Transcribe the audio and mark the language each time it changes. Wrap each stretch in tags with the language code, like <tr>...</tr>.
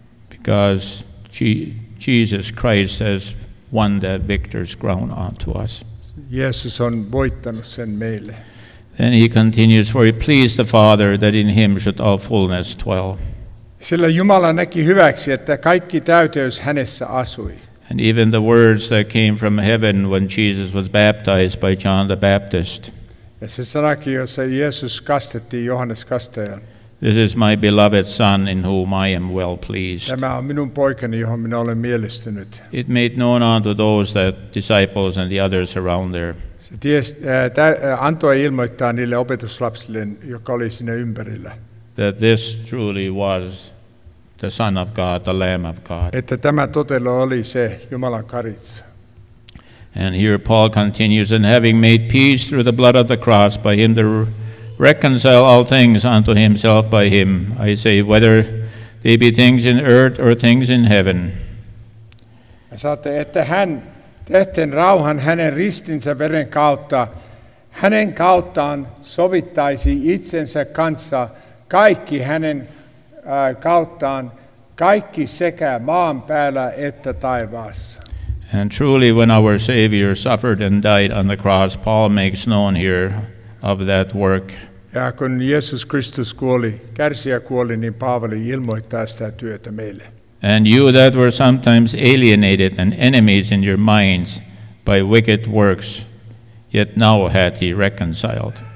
<en>Because Jesus Christ has won that victor's crown onto us.</en> <fi>Jeesus on voittanut sen meille.</fi> <en>Then he continues, for it pleased the Father that in him should all fullness dwell.</en> <fi>Sillä Jumala näki hyväksi, että kaikki täyteys hänessä asui.</fi> <en>And even the words that came from heaven when Jesus was baptized by John the Baptist.</en> <fi>Ja se sanakin, jossa Jeesus kastettiin Johannes Kastajan.</fi> <en>This is my beloved son in whom I am well pleased.</en> <fi>Tämä on minun poikani, johon minä olen mielistynyt.</fi> <en>It made known unto those that disciples and the others around there.</en> <fi>Se antoi ilmoittaa niille opetuslapsille, jotka oli siinä ympärillä.</fi> <en>That this truly was the Son of God, the Lamb of God.</en> <fi>Että tämä totella oli se Jumalan karitsa.</fi> <en>And here Paul continues, and having made peace through the blood of the cross, by him to reconcile all things unto himself by him, I say, whether they be things in earth or things in heaven.</en> <fi>Ja saatte, että hän tehten rauhan hänen ristinsä veren kautta, hänen kauttaan sovittaisi itsensä kanssa kaikki hänen kauttaan, kaikki sekä maan päällä että taivaassa.</fi> <en>And truly when our Savior suffered and died on the cross, Paul makes known here of that work.</en> <fi>Ja kun Jeesus Kristus kuoli, kärsijä kuoli, niin Paavali ilmoittaa sitä työtä meille.</fi> <en>And you that were sometimes alienated and enemies in your minds by wicked works, yet now hath he reconciled.</en>